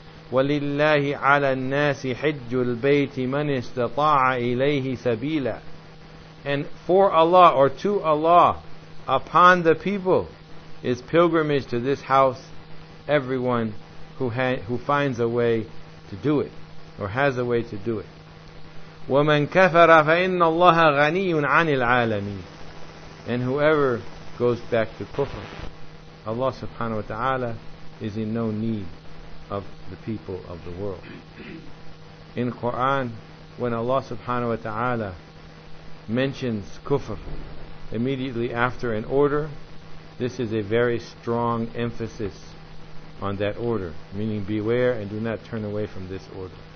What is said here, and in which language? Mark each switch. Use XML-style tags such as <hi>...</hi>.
<ar>وَلِلَّهِ عَلَى النَّاسِ حِجُّ الْبَيْتِ مَنِ اسْتَطَاعَ إِلَيْهِ سَبِيلًا,</ar> <en>and for Allah, or to Allah, upon the people is pilgrimage to this house, everyone who finds a way to do it, or has a way to do it.</en> <ar>وَمَنْ كَفَرَ فَإِنَّ اللَّهَ غَنِيٌّ عَنِ الْعَالَمِينَ,</ar> <en>and whoever goes back to kufr, Allah subhanahu wa ta'ala is in no need of the people of the world. In Quran, when Allah subhanahu wa ta'ala mentions kufr immediately after an order, this is a very strong emphasis on that order, meaning beware and do not turn away from this order.</en>